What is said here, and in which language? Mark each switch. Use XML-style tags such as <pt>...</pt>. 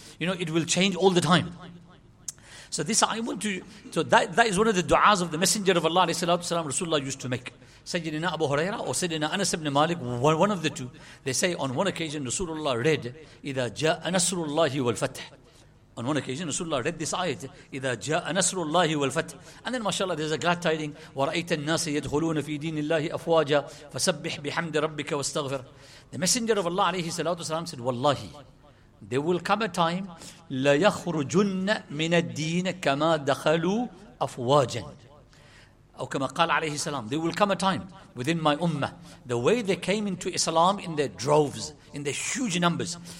<en>You know, it will change all the time. So this, I want to, so that is one of the du'as of the Messenger of Allah, Rasulullah used to make. Sayyidina Abu Huraira or Sayyidina Anas ibn Malik, one of the two, they say on one occasion, Rasulullah read,</en> <ar>إِذَا جَاءَ نَصْرُ اللَّهِ وَالْفَتْحِ.</ar> <en>On one occasion, Rasulullah read this ayat,</en> <ar>إِذَا جَاءَ نَصْرُ اللَّهِ وَالْفَتْحِ.</ar> <en>And then, mashallah, there's a glad tiding,</en> <ar>وَرَأَيْتَ النَّاسَ يَدْخُلُونَ فِي دِينِ اللَّهِ أَفْوَاجًا فَسَبِّحْ بِحَمْدِ رَبِّكَ وَاسْتَغْفِرْ.</ar> <en>The Messenger of Allah said, wallahi, there will come a time,</en> <ar>لَيَخْرُجُنَّ مِنَ الدِّينَ كَمَا دَخَلُوا أَفْوَاجًا. أو كما قال عليه السلام,</ar> <en>there will come a time within my ummah, the way they came into Islam in their droves, in their huge numbers.</en>